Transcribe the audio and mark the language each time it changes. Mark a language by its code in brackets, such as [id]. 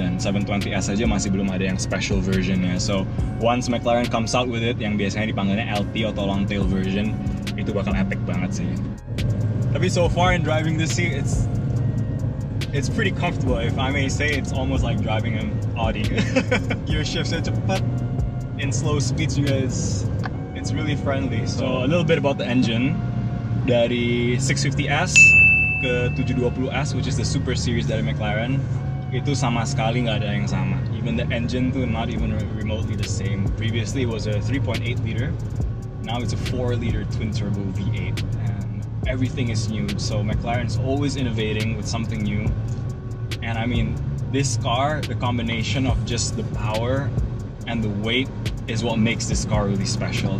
[id] Dan 720S aja masih belum ada yang special versionnya. [en] So once McLaren comes out with it, [id] yang biasanya dipanggilnya LT atau long tail version, itu bakal epic banget sih. [en] Tapi so far in driving this sih, it's pretty comfortable. If I may say, it's almost like driving an Audi. Your shifts are cepat, in slow speeds you guys. It's really friendly. So a little bit about the engine. [id] Dari 650S ke 720S, [en] which is the super series [id] dari McLaren, itu sama sekali nggak ada yang sama. [en] Even the engine tuh not even remotely the same. Previously it was a 3.8 liter. Now it's a 4 liter twin turbo V8. And everything is new. So McLaren's always innovating with something new. And I mean, this car, the combination of just the power and the weight is what makes this car really special.